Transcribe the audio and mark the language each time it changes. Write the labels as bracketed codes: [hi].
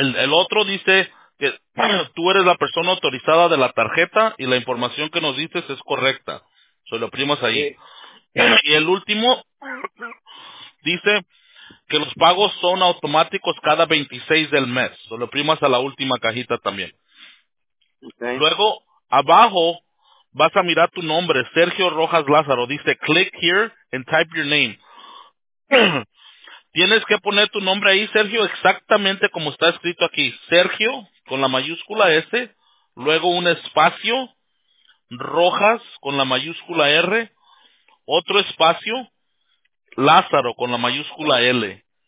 [es] El otro dice que tú eres la persona autorizada de la tarjeta y la información que nos dices es correcta. So, le oprimas ahí. Sí. Y el último dice que los pagos son automáticos cada 26 del mes. So, le oprimas a la última cajita también. Okay. Luego, abajo vas a mirar tu nombre, Sergio Rojas Lázaro. Dice, [en] click here and type your name. [es] Tienes que poner tu nombre ahí, Sergio, exactamente como está escrito aquí. Sergio, con la mayúscula S, luego un espacio, Rojas, con la mayúscula R, otro espacio, Lázaro, con la mayúscula L.